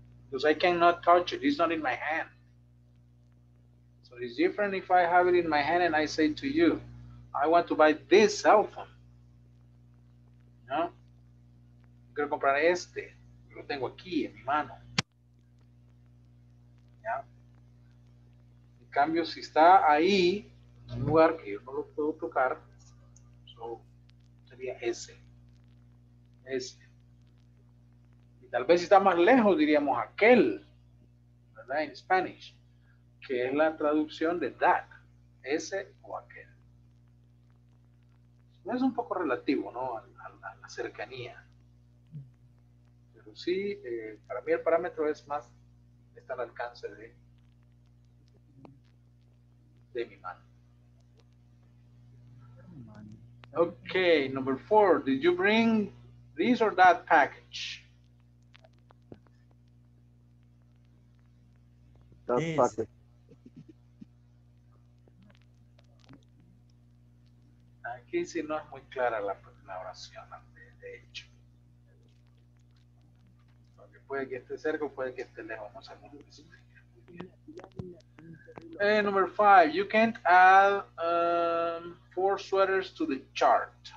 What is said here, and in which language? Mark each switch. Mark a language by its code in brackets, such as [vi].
[en] Because I cannot touch it. It's not in my hand. So it's different if I have it in my hand and I say to you, I want to buy this cell phone. [es] ¿No? Quiero comprar este, lo tengo aquí en mi mano. ¿Ya? En cambio, si está ahí, en un lugar que yo no lo puedo tocar, so, sería ese. Ese. Y tal vez si está más lejos, diríamos aquel, ¿verdad? En Spanish, que es la traducción de that, ese o aquel. Es un poco relativo, ¿no? A la cercanía. Pero sí, para mí el parámetro es más, está al alcance de mi mano. [en] Okay, number four, did you bring this or that package? That yes. Package. [es] Aquí sí no es muy clara la oración, de hecho. Porque puede que esté cerca o puede que esté lejos. No sabemos. Muy bien. [en] Number five, you can't add four sweaters to the chart.